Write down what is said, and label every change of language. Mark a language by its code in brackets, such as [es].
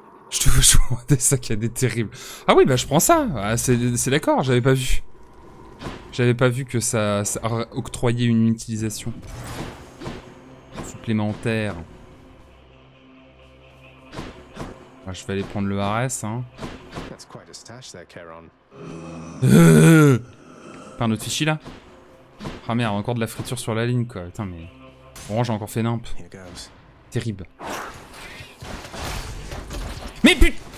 [fr] Je te vois jouer Hades, ça qui a des terribles. Ah oui, bah je prends ça. Ah, c'est d'accord, j'avais pas vu. J'avais pas vu que ça octroyait une utilisation supplémentaire. Ah, je vais aller prendre le Hades, hein. [en] That's quite a stash there, Charon. [fr] Pas un autre fichier là? Ah merde, encore de la friture sur la ligne quoi. Putain, mais. Bon, j'ai encore fait nimp. Terrible. Mais putain!